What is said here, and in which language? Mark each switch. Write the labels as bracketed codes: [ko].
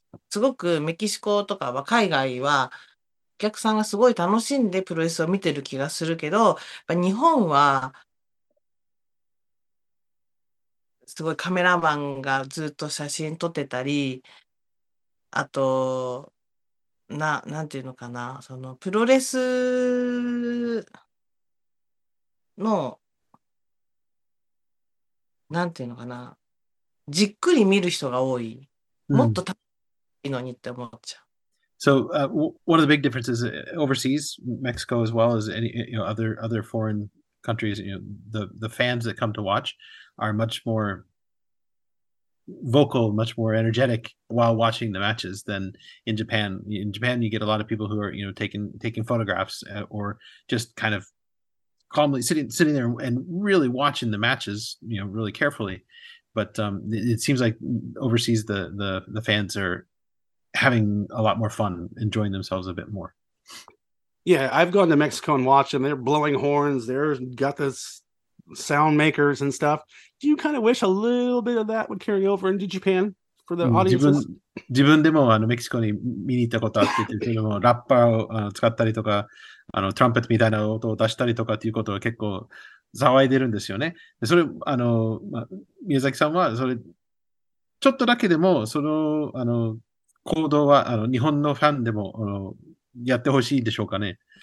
[ja] すごくメキシコとかは海外はお客さんがすごい楽しんでプロレスを見てる気がするけど、やっぱ日本はすごいカメラマンがずっと写真撮ってたり、あと、なんていうのかな、そのプロレスの、なんていうのかな、じっくり見る人が多い。もっと楽しいのにって思っちゃう。 [en] So, one of the big differences overseas, Mexico as well as any other foreign countries, the fans that come to watch are much more vocal, much more energetic while watching the matches than in Japan. In Japan, you get a lot of people who are taking photographs or just kind of calmly sitting there and really watching the matches, really carefully. But it seems like overseas the fans are having a lot more fun, enjoying themselves a bit more. Yeah, I've gone to Mexico and watched them. They're blowing horns. They're got this sound makers and stuff. Do you kind of wish a little bit of that would carry over into Japan for the audiences? [ja] 自分でもメキシコに見に行ったことあって、それもラッパーを使ったりとか、トランペットみたいな音を出したりとかっていうことは結構騒いでるんですよね。で、それ、宮崎さんは、それ、ちょっとだけでも、行動は、日本のファンでも、やってほしいでしょうかね。